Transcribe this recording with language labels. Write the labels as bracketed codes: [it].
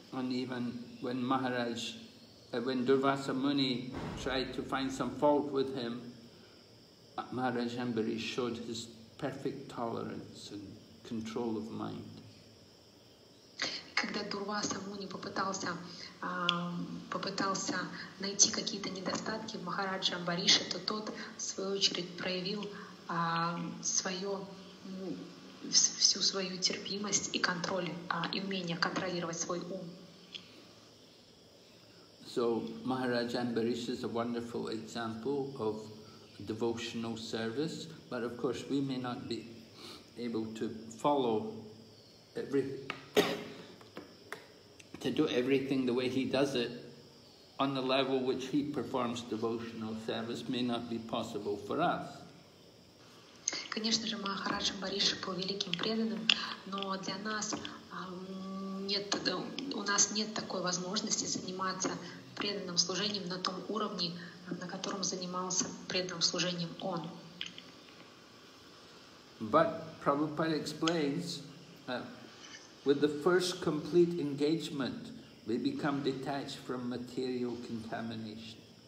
[en] And even when Maharaj, when Durvasa Muni tried to find some fault with him, Maharaj Amberish showed his perfect tolerance and control of mind. [ru] Когда Дурваса Муни попытался найти какие-то недостатки в Махараджа Амбарише, то тот, в свою очередь, проявил всю свою терпимость и контроль, и умение контролировать свой ум. [en] So, Maharaja Ambarish is a wonderful example of devotional service, but of course we may not be able to follow to do everything the way he does it on the level which he performs devotional service may not be possible for us. [ru] Конечно же, Махарадж Амбариша был великим преданным, но для нас у нас нет такой возможности заниматься преданным служением на том уровне, на котором занимался преданным служением он. [en] But Prabhupada explains with the first complete engagement, we become detached from material contamination.